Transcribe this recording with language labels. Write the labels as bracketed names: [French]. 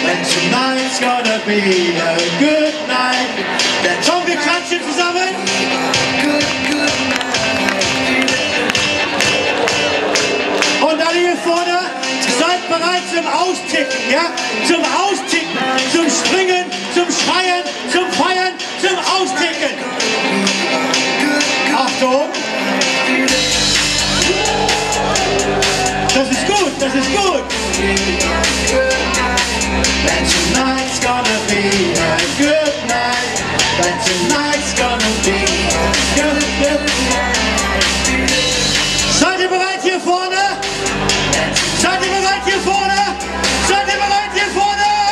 [English] Tonight's gonna be a good night. [German] Komm, wir klatschen zusammen. Und alle hier vorne, seid bereit zum Austicken, ja? Zum Austicken, zum Springen, zum Schreien, zum Feiern, zum Austicken. Achtung. Das ist gut. [English] And tonight's gonna be a good night. And tonight's gonna be a good night. [German] Seid ihr bereit hier vorne? Seid ihr bereit hier vorne? Seid ihr bereit hier vorne?